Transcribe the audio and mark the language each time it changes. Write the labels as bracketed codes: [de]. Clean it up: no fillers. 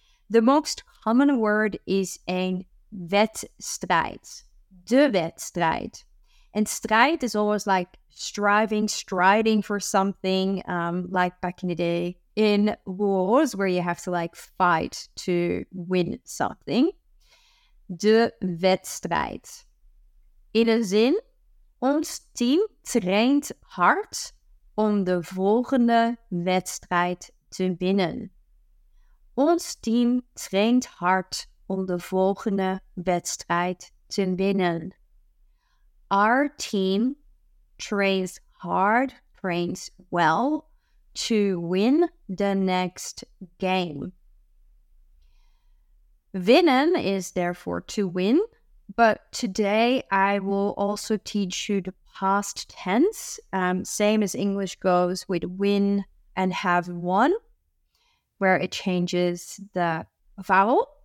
[en] The most common word is a wedstrijd, de wedstrijd. And strijd is always like striving, striding for something, like back in the day in wars where you have to like fight to win something. [nl] De wedstrijd. [en] In a [nl] zin, ons team traint hard om de volgende wedstrijd te winnen. Ons team traint hard om de volgende wedstrijd te winnen. [en] Our team trains hard, trains well to win the next game. Winnen is therefore to win, but today I will also teach you the past tense, same as English goes with win and have won, where it changes the vowel.